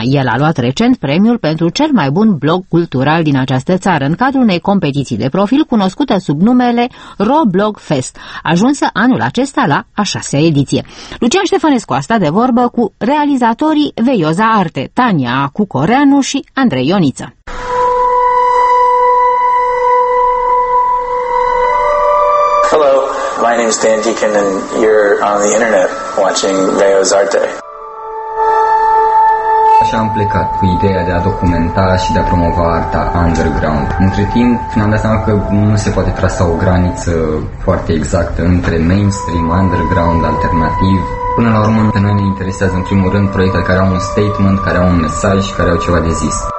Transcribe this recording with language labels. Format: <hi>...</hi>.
<ro>El a luat recent premiul pentru cel mai bun blog cultural din această țară în cadrul unei competiții de profil cunoscută sub numele RoBlog Fest, ajunsă anul acesta la a șasea ediție. Lucian Ștefănescu a stat de vorbă cu realizatorii Veiuza Arte, Tania Cucoreanu și Andrei Ioniță.</ro> <en>Hello, my name is Dan Deacon and you're on the internet watching Veiuza Arte.</en> <ro>Așa am plecat cu ideea de a documenta și de a promova arta underground. Între timp, mi-am dat seama că nu se poate trasa o graniță foarte exactă între mainstream, underground, alternativ. Până la urmă, pe noi ne interesează în primul rând proiectele care au un statement, care au un mesaj, care au ceva de zis.</ro>